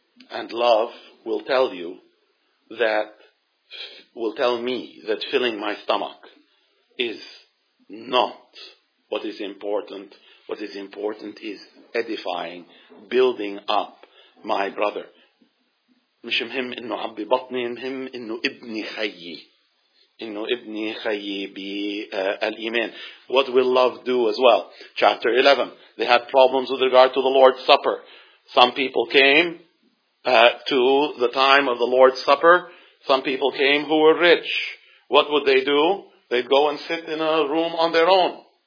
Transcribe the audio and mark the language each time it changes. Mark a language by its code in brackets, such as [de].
[en] And love will tell you that, will tell me that filling my stomach is not what is important. What is important is edifying, building up my brother. [ar] مش مهم انه عبي بطني, مهم انه ابني خيي, انه ابني خيي بالإيمان. [en] What will love do as well? Chapter 11. They had problems with regard to the Lord's Supper. Some people came to the time of the Lord's Supper. Some people came who were rich. What would they do? They'd go and sit in a room on their own.